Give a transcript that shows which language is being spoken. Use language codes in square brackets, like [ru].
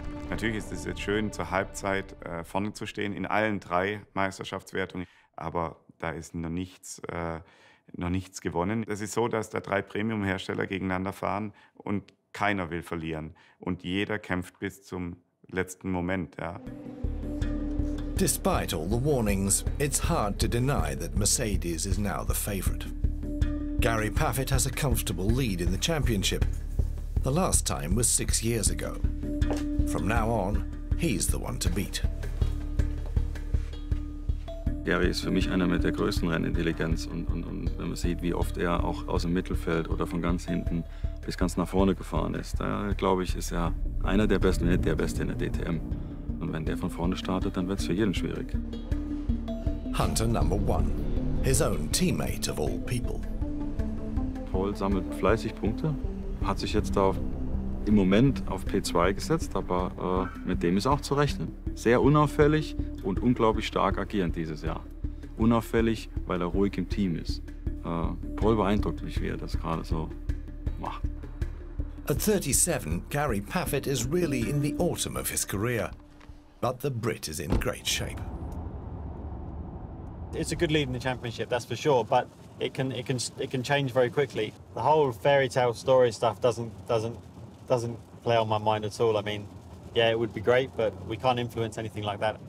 [de] Natürlich ist es jetzt schön, zur Halbzeit vorne zu stehen in allen drei Meisterschaftswertungen, aber da ist noch nichts gewonnen. Es ist so, dass da drei Premium-Hersteller gegeneinander fahren und keiner will verlieren und jeder kämpft bis zum letzten Moment. Ja. [en] Despite all the warnings, it's hard to deny that Mercedes is now the favorite. Gary Paffett has a comfortable lead in the championship. The last time was 6 years ago. From now on, he's the one to beat. [de] Gary ist für mich einer mit der größten Rennintelligenz und wenn man sieht, wie oft er auch aus dem Mittelfeld oder von ganz hinten bis ganz nach vorne gefahren ist, da glaube ich, ist er einer der Besten, nicht der Beste in der DTM. Und wenn der von vorne startet, dann wird es für jeden schwierig. [en] Hunter number one, his own teammate of all people. [de] Paul sammelt fleißig Punkte, hat sich jetzt im Moment auf P2 gesetzt, aber mit dem ist auch zu rechnen. Sehr unauffällig und unglaublich stark agierend dieses Jahr. Unauffällig, weil er ruhig im Team ist. Paul beeindruckt mich, wie er das gerade so macht. [en] At 37, Gary Paffett is really in the autumn of his career. But the Brit is in great shape. it's a good lead in the championship, that's for sure, but it can change very quickly. The whole fairy tale story stuff doesn't play on my mind at all. I mean, yeah, it would be great, but we can't influence anything like that.